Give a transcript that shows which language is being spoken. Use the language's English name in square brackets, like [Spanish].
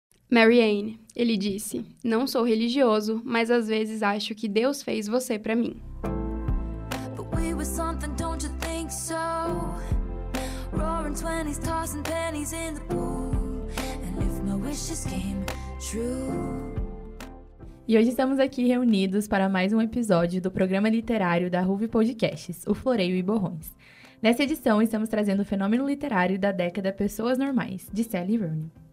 [Portuguese] Mary Anne, ele disse, não sou religioso, mas às vezes acho que Deus fez você pra mim. [English] But we were something, don't you think so? Roaring 20s, tossing pennies in the pool. And if my wishes came true. [Portuguese] E hoje estamos aqui reunidos para mais um episódio do programa literário da Ruve Podcasts, o Floreio e Borrões. Nessa edição, estamos trazendo o fenômeno literário da década Pessoas Normais, de Sally Rooney.